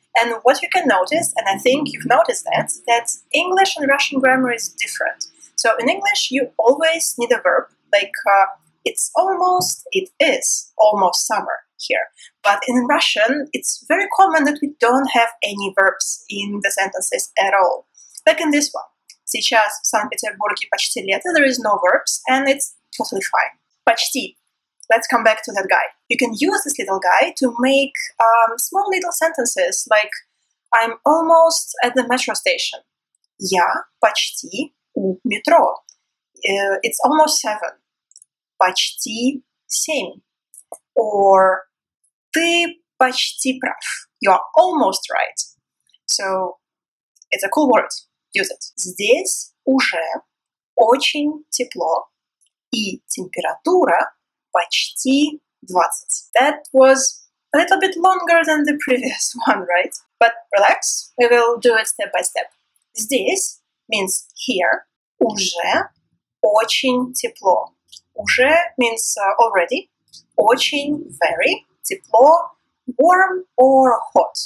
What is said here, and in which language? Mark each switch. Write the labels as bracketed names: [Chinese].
[English] And what you can notice, and I think you've noticed that English and Russian grammar is different. So in English, you always need a verb, like, it's almost, it is, almost summer. Here. But in Russian, it's very common that we don't have any verbs in the sentences at all. Like in this one. [Russian] Сейчас в Санкт-Петербурге почти лето. [English] There is no verbs and it's totally fine. Почти. Let's come back to that guy. You can use this little guy to make small little sentences like I'm almost at the metro station. [Russian] Я почти у метро. [English] It's almost 7. [Russian] Почти 7. Or ты почти прав. [English] You are almost right. So it's a cool word. Use it. [Russian] Здесь уже очень тепло и температура почти 20. [English] That was a little bit longer than the previous one, right? But relax. We will do it step by step. Здесь means here. [Russian] Уже очень тепло. Уже [English] means already. Очень, very, тепло, warm or hot.